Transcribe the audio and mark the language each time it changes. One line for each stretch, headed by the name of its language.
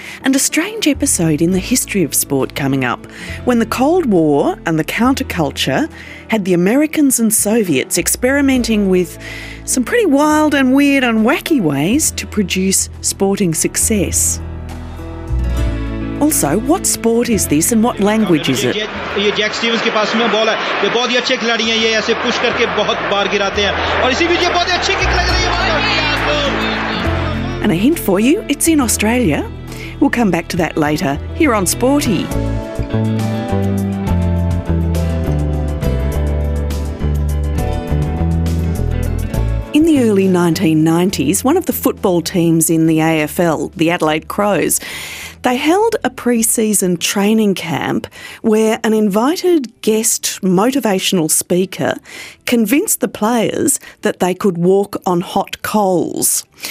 English: And a strange episode in the history of sport coming up, when the Cold War and the counterculture had the Americans and Soviets experimenting with some pretty wild and weird and wacky ways to produce sporting success. Also, what sport is this and what language is it?
Hindi: ये Jack Stevens के पास में ball है ये बहुत ही अच्छे खिलाड़ी हैं ये ऐसे पुश करके बहुत बार गिराते हैं और इसी बीच ये बहुत ही अच्छी किक लग रही है
English: And a hint for you, it's in Australia. We'll come back to that later here on Sporty. In the early 1990s, one of the football teams in the AFL, the Adelaide Crows, they held a pre-season training camp where an invited guest motivational speaker convinced the players that they could walk on hot coals.